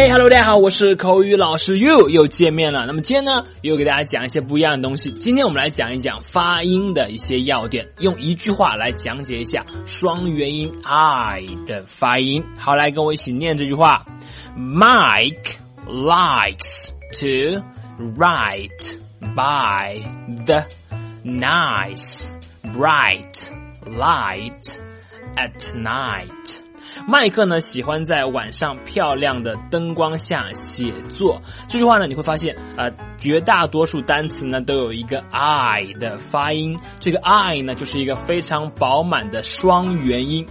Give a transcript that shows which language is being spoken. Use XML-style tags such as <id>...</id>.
<zh>家好，我是口语老师 You， 又见面了。那么今天呢，又给大家讲一些不一样的东西。今天我们来讲一讲发音的一些要点，用一句话来讲解一下双元音 I 的发音。好，来跟我一起念这句话。</zh> <en>Mike likes to write by the nice bright light at night。</en> <zh>麦克呢喜欢在晚上漂亮的灯光下写作。这句话呢你会发现绝大多数单词呢都有一个 I 的发音，这个 I 呢就是一个非常饱满的双元音。</zh>